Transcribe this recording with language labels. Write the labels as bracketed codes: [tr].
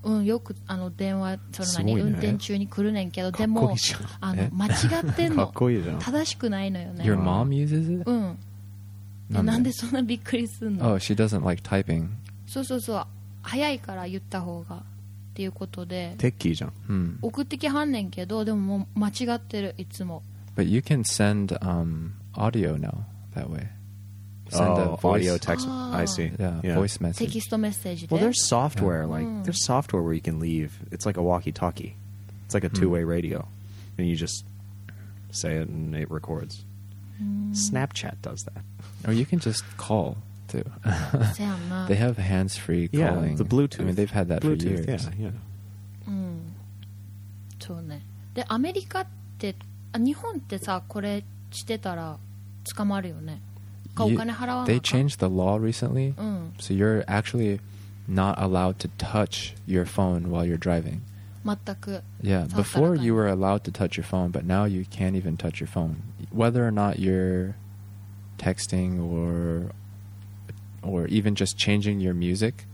[ja] うん、よくあの電話、その何、運転中に来るねんけど、でもあの間違ってんの。かっこいいじゃん。正しくないのよね。 [en] Your mom uses it? [ja] うん。なんでそんなびっくりすんの？ [en] Oh, she doesn't like typing. [ja] そうそうそう、早いから言った方がっていうことで。テッキーじゃん。送ってきはんねんけど、でももう間違ってるいつも。 [en] But you can send audio now that way. Audio text. I see. Yeah, voice message. [ja] テキストメッセージで。 [en] Well, there's software、yeah. like there's software where you can leave. It's like a walkie-talkie. It's like a two-way radio, and you just say it and it records. Snapchat does that. Or you can just call too. They have hands-free calling. Yeah, the Bluetooth. I mean, they've had that、 Bluetooth, for years. Yeah, yeah. [ja] うん、そうね。で、アメリカって、あ、日本ってさ、これしてたら捕まるよね。か、お金払わなか。 [en] They changed the law recently,、 [ja] うん、 [en] so you're actually not allowed to touch your phone while you're driving. [ja] 全く。 [en] Yeah, before you were allowed to touch your phone, but now you can't even touch your phone, whether or not you're. Texting or even just changing your music.、